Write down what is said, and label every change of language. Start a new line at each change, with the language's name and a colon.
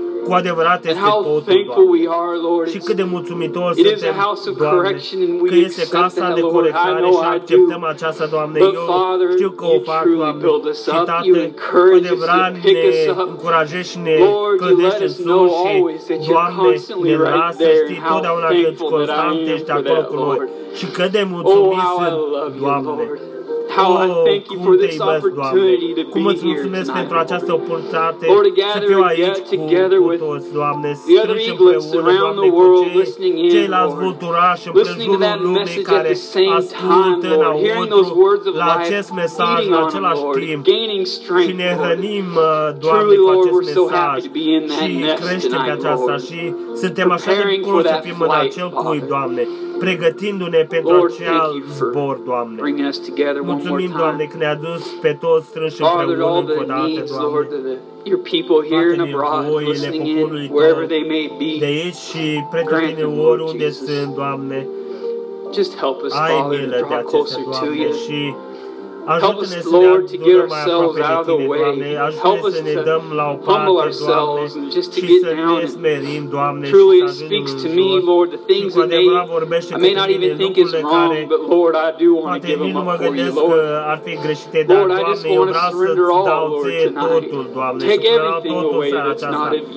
Romanian: Cu adevărat este totul, Doamne. Și cât de mulțumitori suntem, Doamne, că este casa de corectare și acceptăm aceasta, Doamne. Eu știu că o fac, Doamne. Și, Tată, cu adevărat ne încurajezi și ne clădești în sus și, Doamne, ne lasă să știi totdeauna că ești constant, ești acolo cu noi. Și cât de mulțumit sunt, Doamne.
English: How I thank you for this opportunity to be here
Romanian: pentru această oportunitate Lord, să fiu aici
English: together
Romanian: cu toți, Doamne, strânși împreună, Doamne, cu ceilalți vulturași împrejurul lumei care ascultă înăuntru la acest mesaj în același timp și ne hrănim, Doamne, cu acest mesaj și creștem pe aceasta și suntem așa de bucuroși să fim în acel cuib, Doamne, pregătindu-ne pentru acel zbor, Doamne. Mulțumim, Doamne, că ne-a dus pe toți strânși împreună încă o dată, Doamne.
English: Your people here and abroad, listening in, wherever they may be,
Romanian: de aici și pretutindeni oriunde sunt, Doamne.
English: Just help us, Father, to draw closer to you.
Romanian: Și ajută-ne să ne adunăm mai aproape de tine, Doamne. Ajută-ne să ne dăm la o parte, Doamne, și să ne smerim, Doamne, și să ajungem în jos. Și cu adevărat vorbește cu tine lucrurile care poate nu mă gândesc că ar fi greșite, dar, Doamne, eu vreau să-ți dau ție totul, Doamne, și vreau totul în aceasta.